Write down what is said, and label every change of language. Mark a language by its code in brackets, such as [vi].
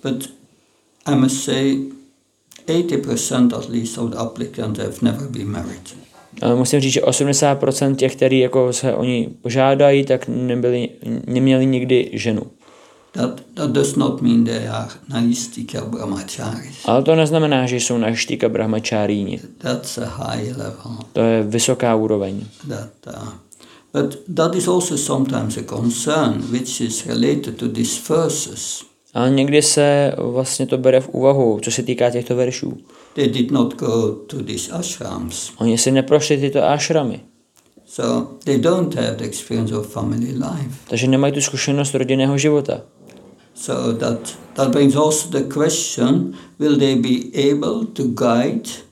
[en] But I must say, 80% at least of the applicants have never been married. [cs] Ale musím říct, že 80% těch, kteří jako se o ní požádají, tak neměli nikdy ženu. [en] That does not mean they are naistika brahmacharis. [cs] Ale to neznamená, že jsou naistika brahmacharíni. [en] That's a high level. [cs] To je vysoká úroveň. [en] But that is also sometimes a concern, which is related to these verses. [cs] Ale někdy se vlastně to bere v úvahu, co se týká těchto veršů. [en] They did not go to these ashrams. [cs] Oni si neprošli tyto ashramy. [en] So they don't have the experience of family life. [cs] Takže nemají tu zkušenost rodinného života. [en] So that brings also the question, will they be able to guide